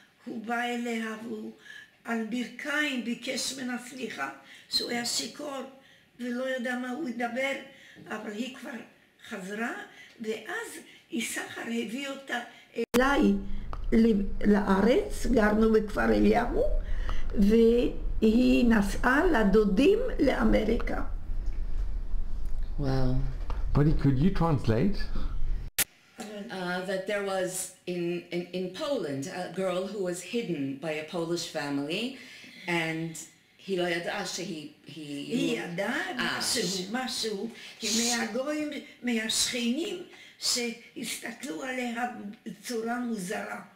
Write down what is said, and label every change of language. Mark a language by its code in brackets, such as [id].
[he] הוא בא אליה והוא על ברכיים ביקש מנה סליחה, שהוא היה שיקור ולא יודע מה הוא ידבר, אבל היא כבר חזרה, ואז יששכר הביא אותה אליי. לארץ, גרנו בכפר אליהו, והיא נסעה לדודים לאמריקה. [en] Well, buddy, could you translate? That there was in Poland a girl who was hidden by a Polish family, and [he] היא לא ידעה שהיא... היא ידעה משהו, מהגויים, מהשכנים, שהסתכלו עליה בצורה מוזרה.